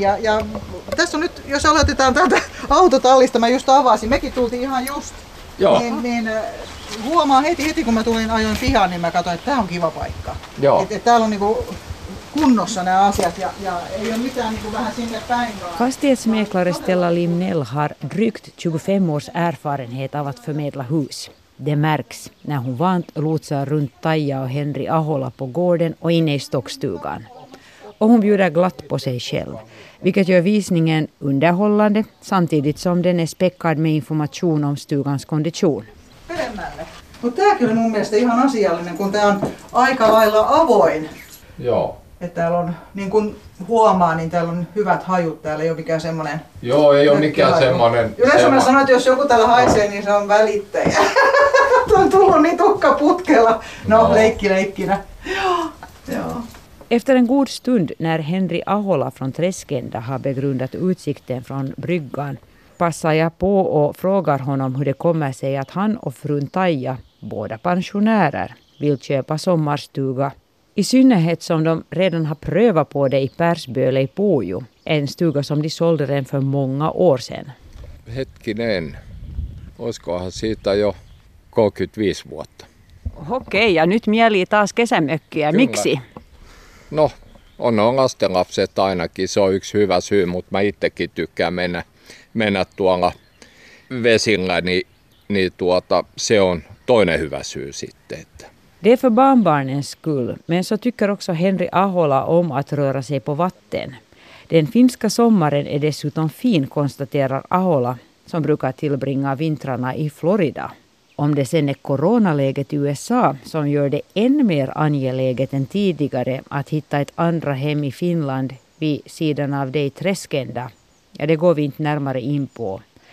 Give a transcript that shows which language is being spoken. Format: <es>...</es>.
<fi>Ja tässä on nyt, jos aloitetaan tätä autotallista, mä just avasin, mekin tultiin ihan just. Joo. Niin huomaa heti kun mä tulin ajoin pihaan, niin mä katsoin, että tää on kiva paikka. Joo. Että täällä on niinku kunnossa nämä asiat ja ei ole mitään niinku vähän sinne päin.</fi> <sv>Fastighetsmäklare Stella Limnell har drygt 25 års erfarenhet av att förmedla hus. Det märks när hon vant lotsar runt Taija och Henri Ahola på gården och inne i stockstugan. Och hon bjuder glatt på sig själv, vilket gör visningen underhållande samtidigt som den är späckad med information om stugans kondition.</sv> <fi>Mutta tämä kyllä mun mielestä ihan asiallinen, kun tämä on aika lailla avoin. Joo. Että täällä on, niin kuin huomaa, niin täällä on hyvät hajut, täällä ei ole mikään semmoinen. Joo, ei ole mikään semmoinen. Yleensä mä sanoin, että jos joku täällä haisee, niin se on välittäjä. On tullut niin tukka putkella. No. leikkinä. Joo.</fi> <sv>Efter en god stund när Henri Ahola från Träskända har begrundat utsikten från bryggan passar jag på och frågar honom hur det kommer sig att han och frun Taija, båda pensionärer, vill köpa sommarstuga. I synnerhet som de redan har prövat på det i Persböle i Pojo, en stuga som de sålde den för många år sedan.</sv> <fi>Hetkinen, olisikohan siitä jo 35 vuotta. Okej, ja nyt mieli taas kesämökkiä. Miksi? No, on lastenlapset ainakin. Se on yksi hyvä syy, mutta mä itsekin tykkään mennä tuolla vesillä, niin se on toinen hyvä syy sitten. Että.</fi> <sv>Det är för barnbarnens skull, men så tycker också Henri Ahola om att röra sig på vatten. Den finska sommaren är dessutom fin, konstaterar Ahola, som brukar tillbringa vintrarna i Florida. Om det sen är coronaläget i USA som gör det än mer angeläget än tidigare att hitta ett andra hem i Finland vid sidan av det i Träskända, ja, det går vi inte närmare in på.</sv>